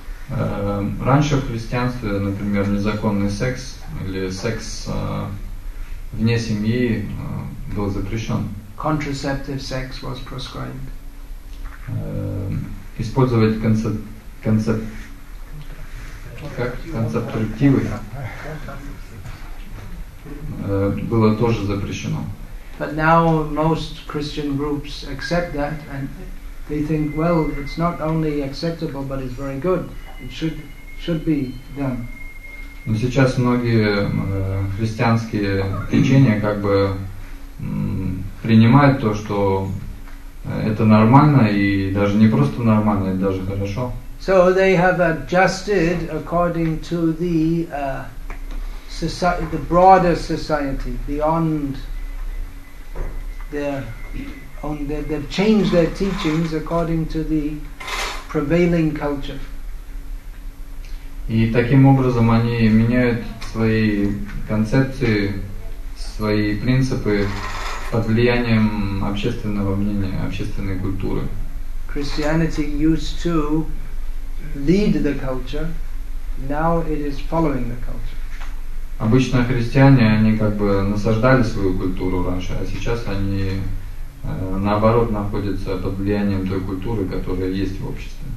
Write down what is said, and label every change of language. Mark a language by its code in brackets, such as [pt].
[ru] Раньше в христианстве, например, незаконный секс или секс вне семьи был запрещен. [en] Contraceptive sex was prescribed. [ru] Использовать концептивы было тоже запрещено. [en] But now most Christian groups accept that and they think, well, it's not only acceptable, but it's very good. It should be done. [ru] Но сейчас многие христианские течения как бы принимают то, что это нормально, и даже не просто нормально, это даже хорошо. [en] So they have adjusted according to the society, the broader society, beyond their own, they've changed their teachings according to the prevailing culture. [ru] И таким образом они меняют свои концепции, свои принципы под влиянием общественного мнения, общественной культуры. [en] Christianity used to lead the culture, now it is following the culture. [ru] Обычно христиане, они как бы насаждали свою культуру раньше, а сейчас они наоборот находятся под влиянием той культуры, которая есть в обществе.